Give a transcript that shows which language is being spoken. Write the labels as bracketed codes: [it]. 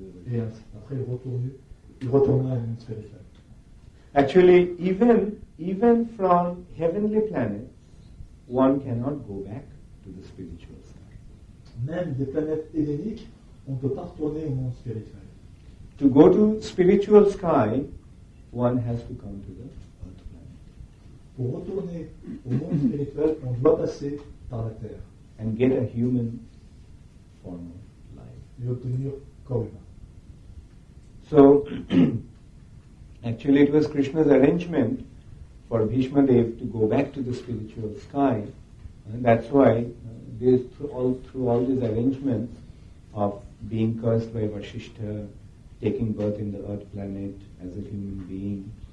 [fr] Et après, il retourna à l'univers spirituel. [en] Actually, even from heavenly planets, one cannot go back to the spiritual. [fr] Même des planètes héléniques, on ne peut pas retourner au monde spirituel. [en] To go to spiritual sky, one has to come to the earth planet. [fr] Pour retourner au monde spirituel, on doit passer par la Terre. [en] And get a human form of life. [fr] Et obtenir corps humain. [en] So, actually it was Krishna's arrangement for Bhishma Dev to go back to the spiritual sky. And that's why through all these arrangements of being cursed by Vasishtha, taking birth in the earth planet as a human being.